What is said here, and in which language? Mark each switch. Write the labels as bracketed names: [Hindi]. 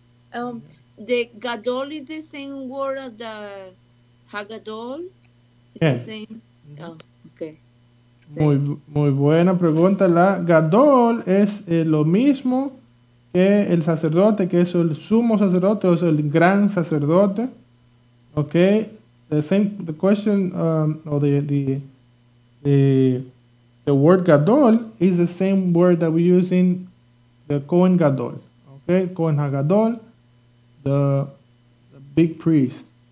[English] The Gadol is the same word as the Hagadol? It's yes. The same. Oh, okay. [Spanish] Muy buena pregunta. La Gadol es lo mismo que el sacerdote, que es el sumo sacerdote, o es el gran sacerdote. [English] Okay, the same, the question, or the word Gadol is the same word that we use in the Kohen Gadol. Okay, Kohen HaGadol, the big priest.